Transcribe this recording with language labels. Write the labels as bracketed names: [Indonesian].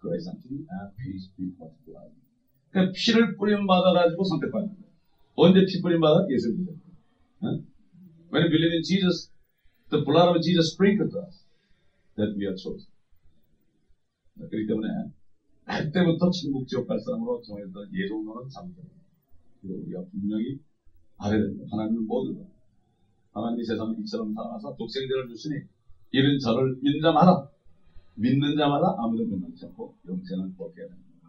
[English] Grace unto you and peace be multiplied. [Korean] 그 피를 뿌림 받아가지고 선택받는 거예요. 언제 피 뿌림 받아? 예수님. [English] Huh? When we believe in Jesus, the blood of Jesus sprinkled us, that we are chosen. [Korean] 그렇기 때문에, 그때부터 천국 지옥 갈 사람으로 정해졌던 예정론은 잘못됩니다. 그리고 우리가 분명히 알아야 됩니다. 하나님은 모두가. 하나님이 세상을 이처럼 사랑하사 독생자를 주시니, 이런 저를 믿는 자마다, 믿는 자마다 아무도 변하지 않고 영생을 얻게 됩니다.